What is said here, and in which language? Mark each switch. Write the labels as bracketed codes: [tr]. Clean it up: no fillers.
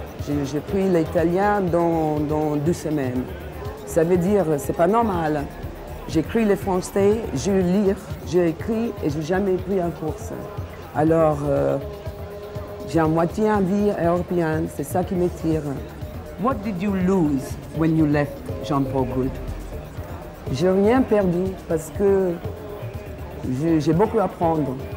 [fr] J'ai pris l'italien dans 2 semaines. Ça veut dire, c'est pas normal. J'écris le français, je lis, j'ai écrit et j'ai jamais pris un cours. Alors, j'ai en moitié une vie européenne, c'est ça qui me tire. [en] What did you lose when you left Jean-Paul Gould? [fr] J'ai rien perdu parce que j'ai beaucoup à apprendre.